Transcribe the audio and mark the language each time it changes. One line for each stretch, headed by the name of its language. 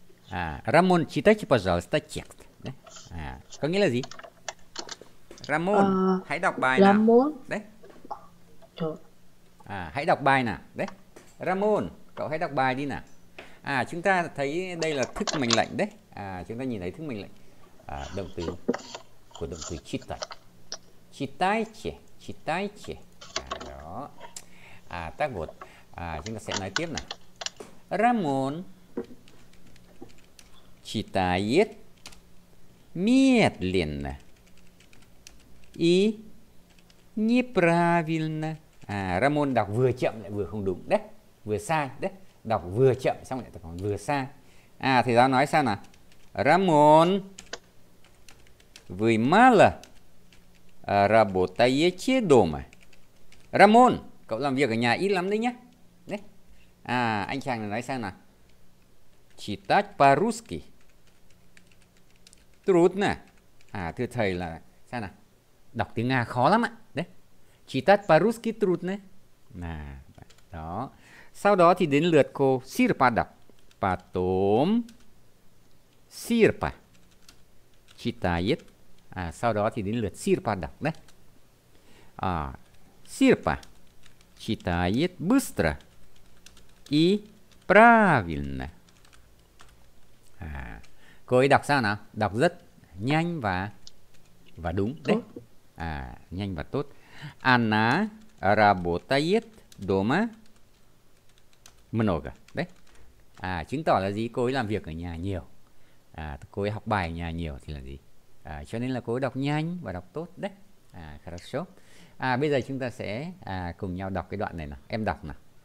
Russian: А, Рамон, читайте, пожалуйста, текст. Да? А,
Vietnamese: có nghĩa là gì? Рамон, hãy đọc bài nào.
Russian: Рамон.
Vietnamese: Đấy. À, hãy đọc bài nào. Đấy.
Russian: Рамон,
Vietnamese: cậu hãy đọc bài đi nào. À, chúng ta thấy đây là thức mệnh lệnh đấy. À, chúng ta nhìn thấy thức mệnh lệnh. À, động từ của động từ читать.
Russian: Читайте, читайте.
Vietnamese: À, đó. À,
Russian: так вот.
Vietnamese: À, chúng ta sẽ nói tiếp nào.
Russian: Рамон читает медленно и неправильно.
Vietnamese: À, Рамон đọc vừa chậm lại vừa không đúng đấy, vừa sai đấy. Đọc vừa chậm xong lại còn vừa sai. À, thầy giáo nói sao nào?
Russian: Рамон, вы мало работаете дома?
Vietnamese: Рамон, cậu làm việc ở nhà ít lắm đấy nhé. Đấy. À, anh chàng này nói sao nào?
Russian: Читать по-русски. Трудно.
Vietnamese: À, thưa thầy là sao nào? Đọc tiếng Nga khó lắm ạ. Đấy.
Russian: Читать по-русски трудно.
Vietnamese: Nà, đó. Sau đó thì đến lượt cô Sirpa đọc.
Russian: Потом Sirpa. Читает.
Vietnamese: À, sau đó thì đến lượt Sirpa đọc đấy. À, Sirpa.
Russian: Читает быстро и правильно.
Vietnamese: À, cô ấy đọc sao nào? Đọc rất nhanh và đúng đấy. À, nhanh và tốt.
Russian: Она работает дома много.
Vietnamese: Đấy. À, chứng tỏ là gì? Cô ấy làm việc ở nhà nhiều. À, cô ấy học bài ở nhà nhiều thì là gì? À, cho nên là cô ấy đọc nhanh và đọc tốt đấy.
Russian: À, хорошо.
Vietnamese: À, bây giờ chúng ta sẽ cùng nhau đọc cái đoạn này nào. Em đọc nào.